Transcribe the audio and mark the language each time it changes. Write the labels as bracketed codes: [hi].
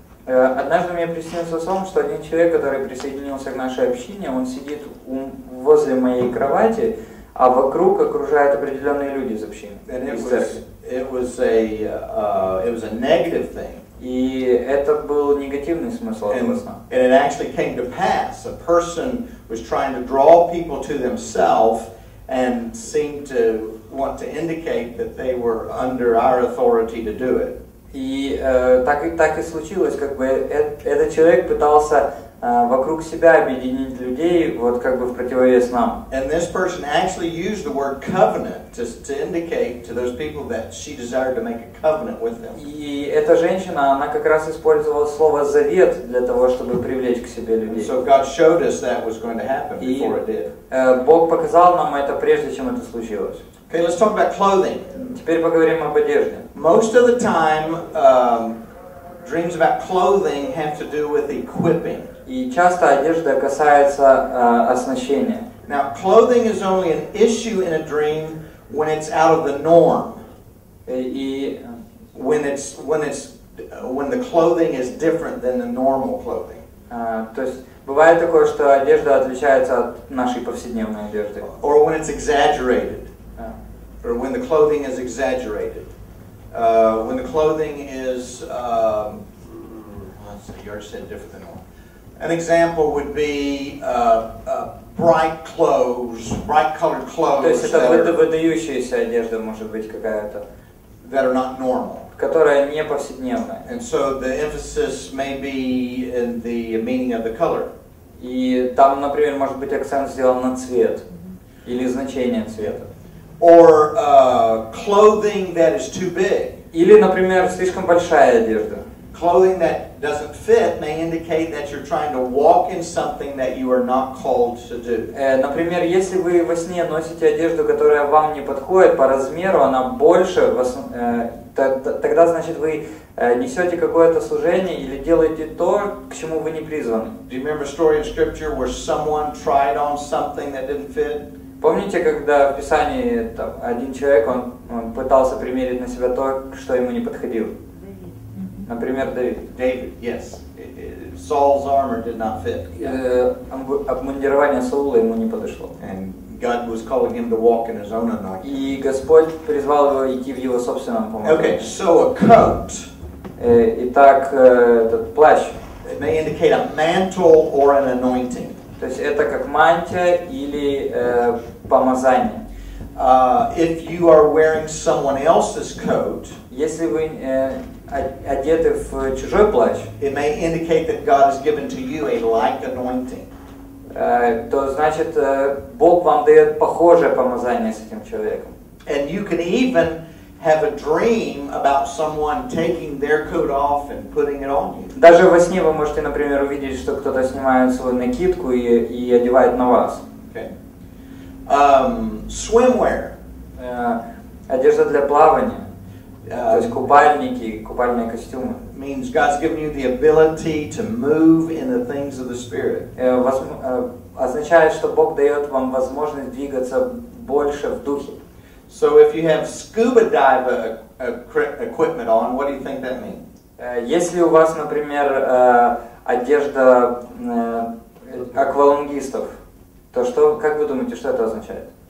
[ru] Однажды мне приснился сон, что один человек, который присоединился к нашей общине, он сидит возле моей кровати, а вокруг окружают определенные люди из общины. [en] And it was a negative thing. [ru] И это был негативный смысл этого сна. [en] And it actually came to pass. A person was trying to draw people to themselves and seemed to want to indicate that they were under our authority to do it. [ru] И так и случилось, как бы этот человек пытался вокруг себя объединить людей, вот как бы в противовес нам. [en] And this person actually used the word covenant to indicate to those people that she desired to make a covenant with them. [ru] И эта женщина, она как раз использовала слово завет для того, чтобы привлечь к себе людей. [en] So God showed us that was going to happen before it did. [ru] Бог показал нам это прежде, чем это случилось. [en] Okay, let's talk about clothing. [ru] Теперь поговорим об одежде. [en] Most of the time, dreams about clothing have to do with equipping. [ru] И часто одежда касается оснащения. [en] Now, clothing is only an issue in a dream when it's out of the norm. [ru] И [en] when the clothing is different than the normal clothing. [ru] То есть бывает такое, что одежда отличается от нашей повседневной одежды. [en] Or when it's exaggerated. Or when the clothing is exaggerated. When the clothing is let's see, you already said different than normal. An example would be bright clothes, bright colored clothes. [ru] То есть это выдающаяся одежда может быть какая-то. [en] That are not normal. [ru] Которая не повседневная. [en] And so the emphasis may be in the meaning of the color. [ru] И там, например, может быть акцент сделан на цвет или значение цвета. [en] Or clothing that is too big. [ru] Или, например, слишком большая одежда. [en] Clothing that doesn't fit may indicate that you're trying to walk in something that you are not called to do. [ru] Например, если вы во сне носите одежду, которая вам не подходит по размеру, она больше, тогда значит вы несете какое-то служение или делаете то, к чему вы не призваны. [en] Do you remember a story in Scripture where someone tried on something that didn't fit? [ru] Помните, когда в Писании там, один человек он пытался примерить на себя то, что ему не подходило? Например, Давид. [en] David, yes. Saul's armor did not fit. [ru] Обмундирование Саула ему не подошло. [en] And God was calling him to walk in his own anointing. [ru] И Господь призвал его идти в его собственном помазании. [en] Okay, so a coat. [ru] Итак, этот плащ. [en] It may indicate a mantle or an anointing. [ru] То есть это как мантия или помазание. [en] If you are wearing someone else's coat. [ru] Если вы одеты в чужой плащ, [en] it may indicate that God has given to you a like anointing. [ru] То значит, Бог вам дает похожее помазание с этим человеком. [en] And you can even have a dream about someone taking their coat off and putting it on you. [ru] Даже во сне вы можете, например, увидеть, что кто-то снимает свою накидку и одевает на вас. [en] Okay. Swimwear. [ru] Одежда для плавания. То есть купальники, купальные костюмы. [en] Means God's given you the ability to move in the things of the Spirit. [ru] Означает, что Бог дает вам возможность двигаться больше в духе. [en] So if you have scuba dive equipment on, what do you think that means? [ru] Если у вас, например, одежда аквалангистов, то что, как вы думаете, что это означает?